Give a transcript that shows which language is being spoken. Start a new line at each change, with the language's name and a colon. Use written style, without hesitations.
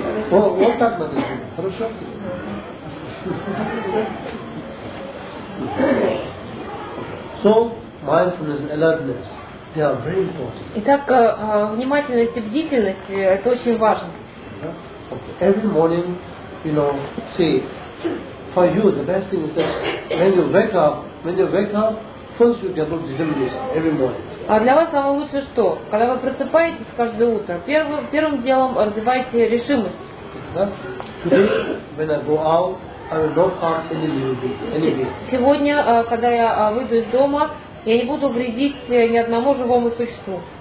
Russian: Вот так надо делать. Хорошо?
English: So, mindfulness and alertness. They are very important.
Russian: Итак, внимательность и бдительность – это очень важно.
English: Yeah? Okay. Every morning, you know, see, for you, the best thing is that when you wake up, first you get all the deliveries every morning.
Russian: А для вас самое лучшее что? Когда вы просыпаетесь каждое утро, первым делом развивайте решимость.
English: Yeah? Today, when I go out, I will not harm anybody.
Russian: Сегодня, когда я выйду из дома, я не буду вредить ни одному живому существу.